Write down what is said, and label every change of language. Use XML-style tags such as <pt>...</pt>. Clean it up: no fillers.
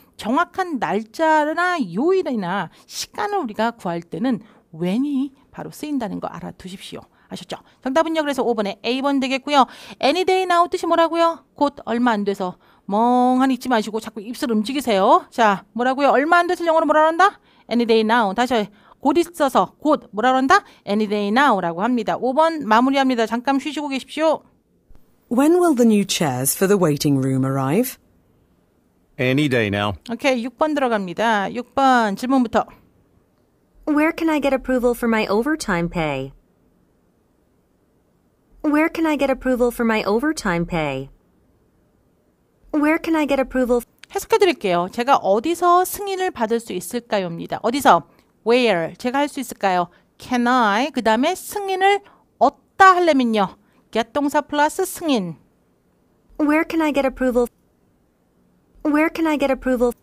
<ko>정확한 날짜나 요일이나 시간을 우리가 구할 때는 when이 바로 쓰인다는 거 알아두십시오. 아셨죠? 정답은요. 그래서 5번에 A번 되겠고요.</ko> <en>Any day now</en> <ko>뜻이 뭐라고요? 곧 얼마 안 돼서 멍하니 있지 마시고 자꾸 입술 움직이세요. 자, 뭐라고요? 얼마 안 돼서 영어로 뭐라 한다?</ko> <en>Any day now.</en> <ko>다시 곧 있어서 곧 뭐라 한다?</ko> <en>Any day now</en> <ko>라고 합니다. 5번 마무리합니다. 잠깐 쉬시고 계십시오.</ko> <en>When will the new chairs for the waiting room arrive? Any day now.</en> <ko>Okay, 6번 들어갑니다. 6번 질문부터.</ko> <en>Where can I get approval for my overtime pay? Where can I get approval for my overtime pay? Where can I get approval?</en> <ko>해석해 드릴게요. 제가 어디서 승인을 받을 수 있을까요입니다. 어디서?</ko> <en>Where?</en> <ko>제가 할 수 있을까요?</ko> <en>Can I?</en> <ko>그 다음에 승인을 얻다 하려면요. get 동사 플러스 승인.</ko> <en>Where can I get approval? Where can I get approval?</en>